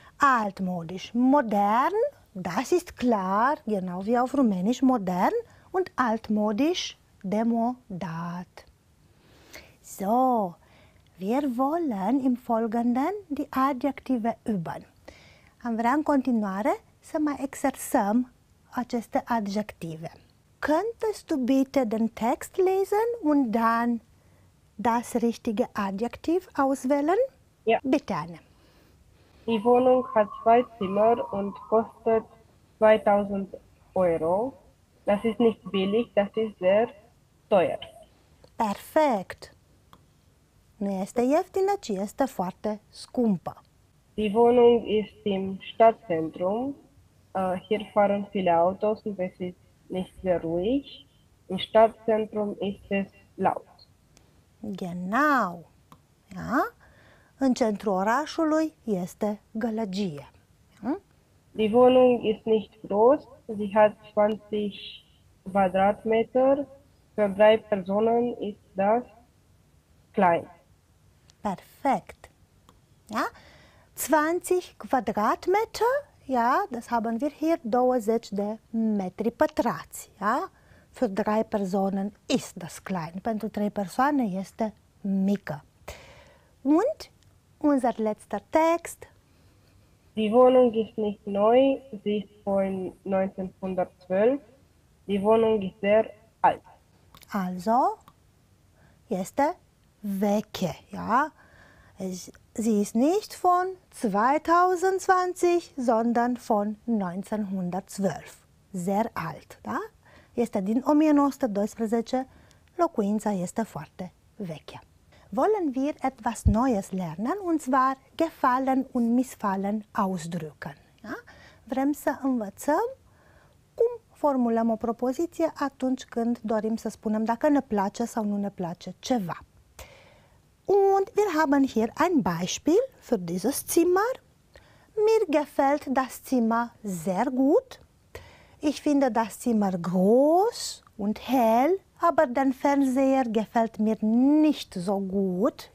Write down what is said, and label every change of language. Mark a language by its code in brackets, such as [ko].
[de] Altmodisch, modern, das ist klar, genau wie auf Rumänisch, modern und altmodisch, demodat. So, wir wollen im Folgenden die Adjektive üben. [ro] Am vrea în continuare să mai exersăm aceste adjective. [de] Könntest du bitte den Text lesen und dann das richtige Adjektiv auswählen? Ja. Bitte, Anne. Die Wohnung hat 2 Zimmer und kostet 2000 Euro. Das ist nicht billig, das ist sehr teuer. Perfekt. [ro] Nu este ieftină, ci este foarte scumpă. [de] Die Wohnung ist im Stadtzentrum. Hier fahren viele Autos und es ist nicht sehr ruhig. Im Stadtzentrum ist es laut. Genau. Ja? [ro] În centrul orașului este gălăgie. [de] Die Wohnung ist nicht groß. Sie hat 20 Quadratmeter. Für 3 Personen ist das klein. Perfekt. Ja? 20 Quadratmeter, ja, das haben wir hier, [ro] 20 de metri pătrați. [de] Ja? Für 3 Personen ist das klein. [ro] Pentru 3 persoane este mică. [de] Und unser letzter Text. Die Wohnung ist nicht neu, sie ist von 1912. Die Wohnung ist sehr alt. [ro] Also, este veche, ja. [de] Sie ist nicht von 2020, sondern von 1912. Sehr alt, da? [ro] Este din 1912, locuința este foarte veche. [de] Wollen wir etwas Neues lernen, und zwar gefallen und missfallen ausdrücken. Ja? [ro] Vrem să învățăm cum formulăm o propoziție atunci când dorim să spunem dacă ne place sau nu ne place ceva. [de] Und wir haben hier ein Beispiel für dieses Zimmer. Mir gefällt das Zimmer sehr gut. Ich finde das Zimmer groß und hell, aber den Fernseher gefällt mir nicht so gut.